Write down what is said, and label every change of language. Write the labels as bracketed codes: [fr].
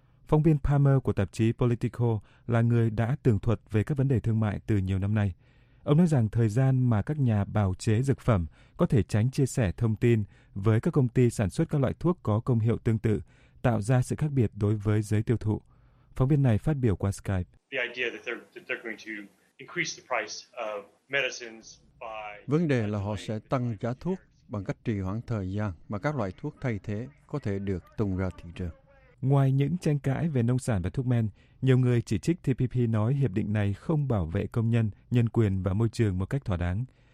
[vi] Phóng viên Palmer của tạp chí Politico là người đã tường thuật về các vấn đề thương mại từ nhiều năm nay. Ông nói rằng thời gian mà các nhà bào chế dược phẩm có thể tránh chia sẻ thông tin với các công ty sản xuất các loại thuốc có công hiệu tương tự tạo ra sự khác biệt đối với giới tiêu thụ. Phóng viên này phát biểu qua Skype. [en] The idea that they're going to increase the price of medicines by... [vi] Vấn đề là họ sẽ tăng giá thuốc bằng cách trì hoãn thời gian mà các loại thuốc thay thế có thể được tung ra thị trường. Ngoài những tranh cãi về nông sản và thuốc men, nhiều người chỉ trích TPP nói hiệp định này không bảo vệ công nhân, nhân quyền và môi trường một cách thỏa đáng.